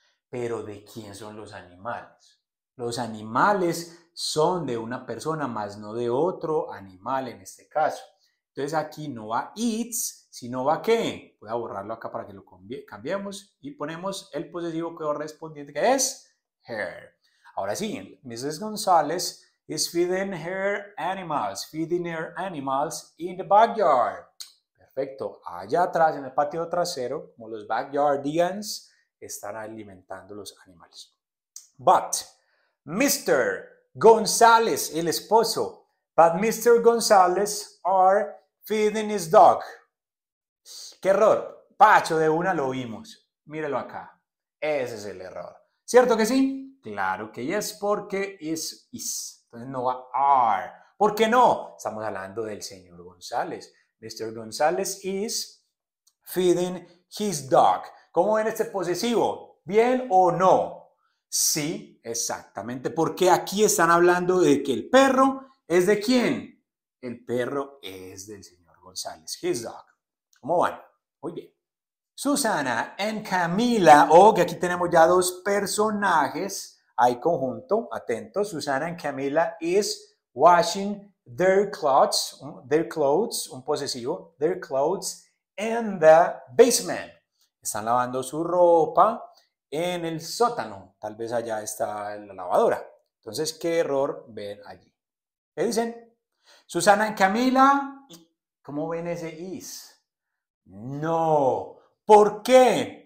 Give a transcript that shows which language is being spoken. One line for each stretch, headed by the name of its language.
Spanish: Pero ¿de quién son los animales? Los animales son de una persona, más no de otro animal en este caso. Entonces aquí no va eats, sino va ¿qué? Voy a borrarlo acá para que lo cambiemos y ponemos el posesivo correspondiente que es her. Ahora sí, Mrs.
English: González is feeding her animals, in the backyard.
Spanish: Perfecto. Allá atrás, en el patio trasero, como los backyardians, están alimentando los animales.
English: But Mr. González,
Spanish: el esposo,
English: but Mr. González are feeding his dog.
Spanish: ¿Qué error? Pacho, de una lo vimos. Mírelo acá. Ese es el error. ¿Cierto que sí? Claro que yes, porque is. Entonces no va are. ¿Por qué no? Estamos hablando del señor González. Mr.
English: González is feeding his dog.
Spanish: ¿Cómo ven este posesivo? ¿Bien o no? Sí, exactamente, porque aquí están hablando de que el perro es de quién. El perro es del señor González,
English: his dog.
Spanish: ¿Cómo van? Muy bien. Susana y Camila, oh, que aquí tenemos ya dos personajes, hay conjunto, atentos.
English: Susana y Camila is washing their clothes,
Spanish: un posesivo,
English: their clothes in the basement.
Spanish: Están lavando su ropa en el sótano, tal vez allá está la lavadora. Entonces, ¿qué error ven allí? ¿Qué dicen? Susana y Camila, ¿cómo ven ese is? No. ¿Por qué?